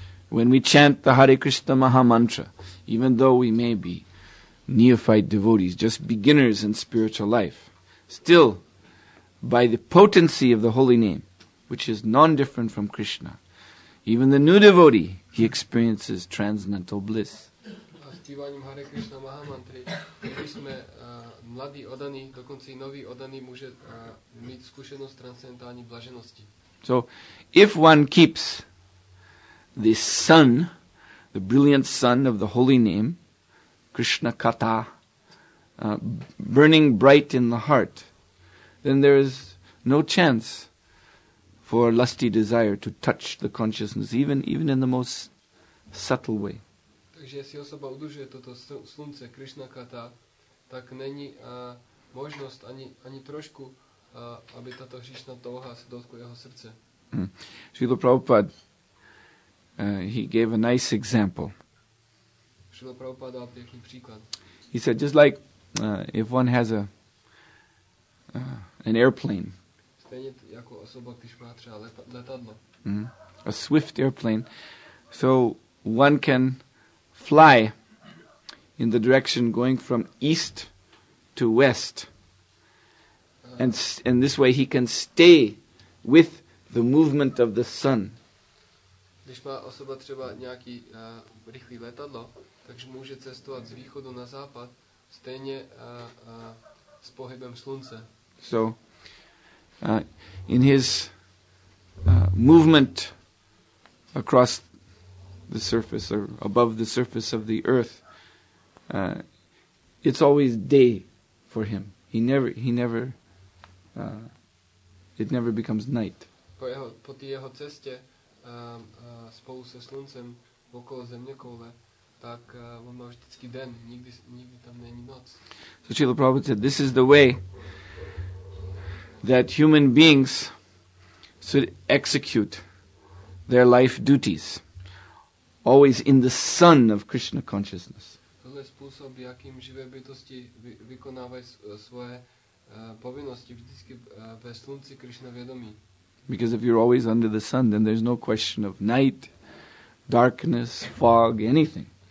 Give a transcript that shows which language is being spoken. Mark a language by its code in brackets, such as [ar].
[en] When we chant the Hare Krishna Maha Mantra, even though we may be neophyte devotees, just beginners in spiritual life, still, by the potency of the holy name, which is non-different from Krishna, even the new devotee, he experiences transcendental bliss. [cs] A zpíváním Hare Krishna Maha Mantry, když jsme mladý oddaný, dokonce i nový oddaný, může mít zkušenost transcendentální blaženosti. [en] So, if one keeps the sun, the brilliant sun of the holy name, Krishna Kata, burning bright in the heart, then there is no chance for lusty desire to touch the consciousness, even in the most subtle way. [cs] Takže jestli osoba udržuje toto slunce, Krishna Kata, tak není možnost ani trošku, aby tato hříšná touha se dotkla jeho srdce. [en] Srila Prabhupada, he gave a nice example. [cs] Srila Prabhupada dal pěkný příklad. [en] He said, just like if one has an airplane. [cs] Stejně jako osoba, když má třeba letadlo. [en] A swift airplane. So one can fly in the direction going from east to west. And this way he can stay with the movement of the sun. [cs] Když má osoba třeba nějaký rychlý letadlo, takže může cestovat z východu na západ stejně s pohybem slunce. [en] So, in his movement across the surface or above the surface of the earth, it's always day for him. It never becomes night. [cs] Po té jeho cestě spolu se sluncem okolo zeměkoule, tak on má vždycky den, nikdy tam není noc. [en] So Srila Prabhupada said, this is the way that human beings should execute their life duties, always in the sun of Krishna consciousness. [cs] Tohle je způsob, jakým živé bytosti vykonávají svoje povinnosti vždycky ve slunci Krishna vědomí. [en] Because if you're always under the sun, then there's no question of night, darkness, fog, anything.